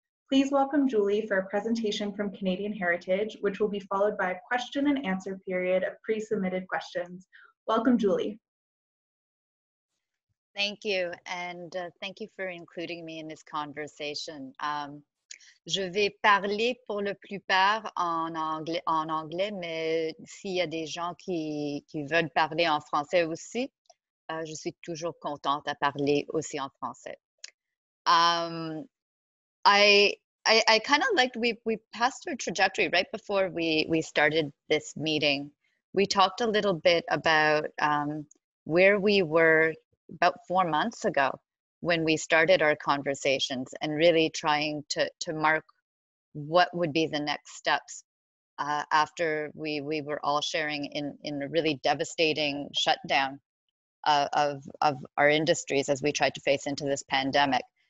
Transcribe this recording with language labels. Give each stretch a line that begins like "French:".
English: Please welcome Julie for a presentation from Canadian Heritage, which will be followed by a question and answer period of pre-submitted questions. Welcome, Julie. Thank you. And thank you for including me in this conversation.
French: Je vais parler pour la plupart en anglais, mais s'il y a des gens qui veulent parler en français aussi, je suis toujours contente à parler aussi en français.
English: I kind of liked we passed our trajectory right before we started this meeting. We talked a little bit about where we were about 4 months ago when we started our conversations and really trying to mark what would be the next steps after we were all sharing in a really devastating shutdown of our industries as we tried to face into this pandemic.